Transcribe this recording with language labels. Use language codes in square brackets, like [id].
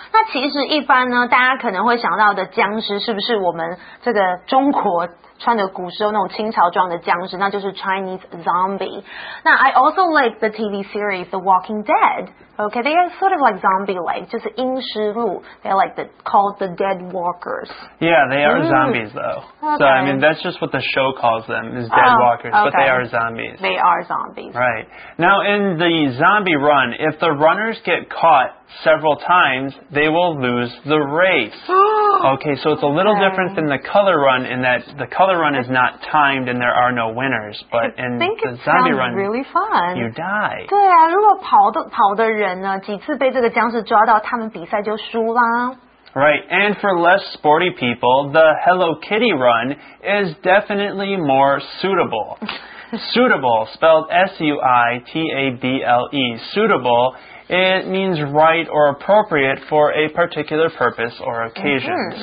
[zh] 那其实一般呢，大家可能会想到的僵尸是不是我们这个中国？穿着古时候那种清朝装的僵尸，那就是 [en] Chinese zombie. Now, I also like the TV series The Walking Dead. Okay, they are sort of like zombie-like, [zh] 就是阴尸路. [en] They're like called the Dead Walkers. Yeah, they are zombies, though. Okay. So, I mean, that's just what the show calls them, is Dead Walkers, but they are zombies. They are zombies. Right. Now, in the zombie run, if the runners get caught several times, they will lose the race. Okay, so it's a little different than the color run in that the color run is not timed and there are no winners. But in the zombie run, really fun. You die. [zh] 对啊，如果跑的人呢，几次被这个僵尸抓到，他们比赛就输啦。 [en] Right, and for less sporty people, the Hello Kitty run is definitely more suitable. Suitable, spelled S-U-I-T-A-B-L-E. Suitable. It means right or appropriate for a particular purpose or occasion. Mm-hmm.